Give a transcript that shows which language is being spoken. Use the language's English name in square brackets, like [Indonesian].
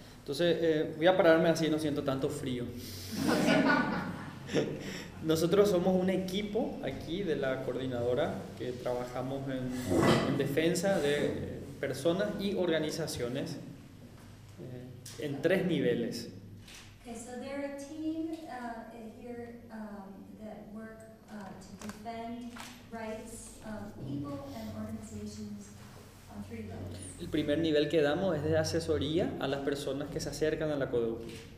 [Spanish] Entonces, voy a pararme así, no siento tanto frío. Nosotros somos un equipo aquí de la coordinadora que trabajamos en defensa de personas y organizaciones en tres niveles. [English] Okay, so there are a team here that work to defend rights of people and organizations on three levels. [Spanish] El primer nivel que damos es de asesoría a las personas que se acercan a la CODEUPI.